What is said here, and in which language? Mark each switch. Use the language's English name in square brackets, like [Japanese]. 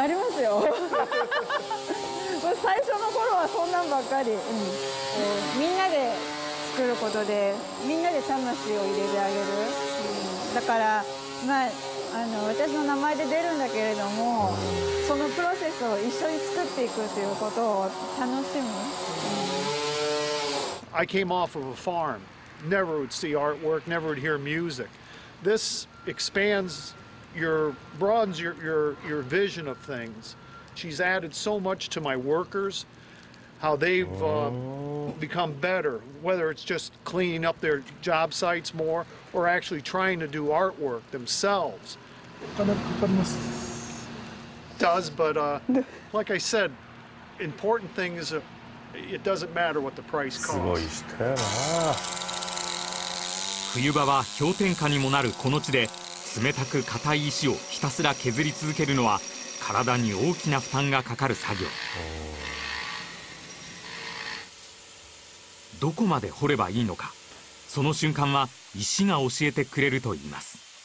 [Japanese] ありますよ最初の頃はそんなんばっかり、うん、みんなで作ることでみんなで魂を入れてあげる、うん、だから、まあ、あの私の名前で出るんだけれども、そのプロセスを一緒に作っていくということを楽しむ、うん、 [English] I came off of a farmNever would see artwork, never would hear music. This expands your, broadens your vision of things. She's added so much to my workers, how they've become better, whether it's just cleaning up their job sites more or actually trying to do artwork themselves. Does, but like I said, important thing is it doesn't matter what the price costs. [Japanese] 冬場は氷点下にもなるこの地で冷たく硬い石をひたすら削り続けるのは体に大きな負担がかかる作業。どこまで掘ればいいのか、その瞬間は石が教えてくれるといいます。